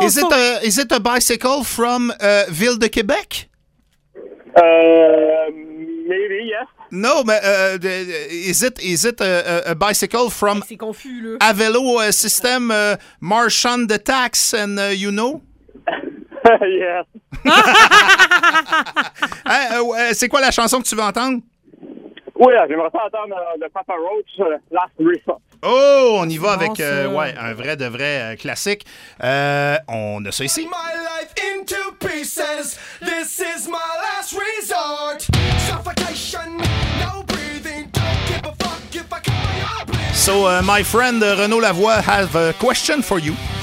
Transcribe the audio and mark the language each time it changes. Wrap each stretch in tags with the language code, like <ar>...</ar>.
<en>Is it a bicycle from Ville de Québec? Maybe, yes. Yeah. No, but is it a bicycle from Avelo system, Marchand de Tax, and you know? Yeah.</en> <fr>C'est quoi la chanson que tu veux entendre? Oui, j'aimerais ça entendre de Papa Roach, Last Resort. Oh, on y va avec ouais, un vrai de vrai classique. On a ça ici.</fr> <en>My life into pieces, this is my last resort. Suffocation. So, my friend, Renaud Lavoie, have a question for you.</en>